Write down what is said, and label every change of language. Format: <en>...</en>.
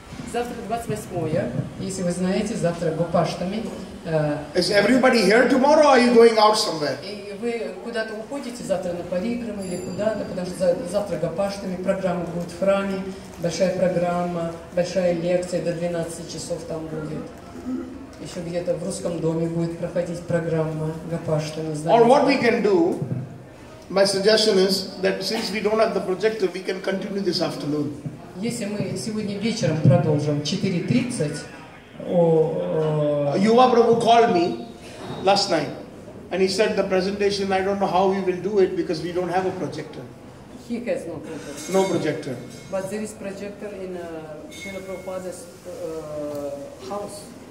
<ru>Завтра 28, если вы знаете, завтра Гопаштами.</ru> <en>Is everybody here tomorrow or are you going out somewhere?</en> <ru>И вы куда-то уходите завтра на париграмы или куда-то, потому что завтра Гопаштами, программа будет в храме, большая программа, большая лекция до 12 часов там будет. Еще где-то в русском доме будет проходить программа Гопаштами.</ru> <en>Or what we can do, my suggestion is that since we don't have the projector, we can continue this afternoon.</en> <ru>Если мы сегодня вечером продолжим 4:30,</ru> <en>Yuva Prabhu called me last night, and he said the presentation. I don't know how we will do it because we don't have a projector. He has no projector. No projector. But there is projector in Srila Prabhupada's house.</en>